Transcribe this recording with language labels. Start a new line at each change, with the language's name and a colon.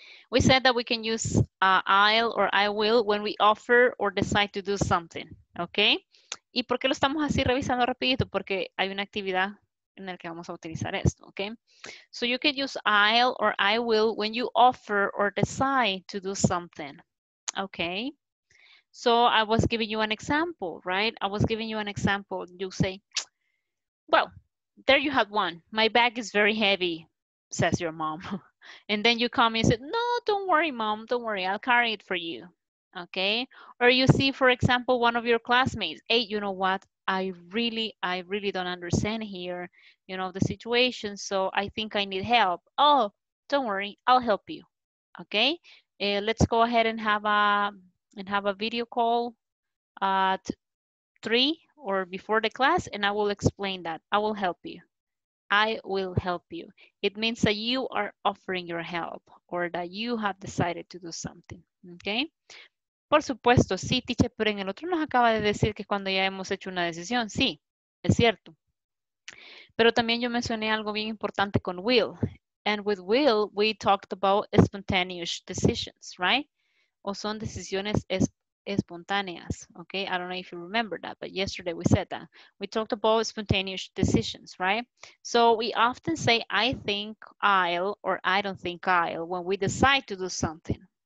English: We said that we can use I'll or I will when we offer or decide to do something, okay?
Spanish: ¿Y por qué lo estamos así revisando rapidito? Porque hay una actividad en la que vamos a utilizar esto, okay?
English: So you can use I'll or I will when you offer or decide to do something, okay? So I was giving you an example, right? I was giving you an example. You say, well, there you have one. My bag is very heavy, says your mom. And then you come and say, no, don't worry, mom. Don't worry. I'll carry it for you. Okay. Or you see, for example, one of your classmates. Hey, you know what? I really don't understand here, you know, the situation. So I think I need help. Oh, don't worry. I'll help you. Okay. Let's go ahead and have a video call at 3 or before the class, and I will explain that. I will help you. I will help you. It means that you are offering your help or that you have decided to do something, okay?
Spanish: Por supuesto, sí, teacher, pero en el otro nos acaba de decir que cuando ya hemos hecho una decisión, sí, es cierto. Pero también yo mencioné algo bien importante con will.
English: And with will, we talked about spontaneous decisions, right?
Spanish: O son decisiones espontáneas, okay?
English: I don't know if you remember that, but yesterday we said that. We talked about spontaneous decisions, right? So we often say, I think I'll, or I don't think I'll, when we decide to do something.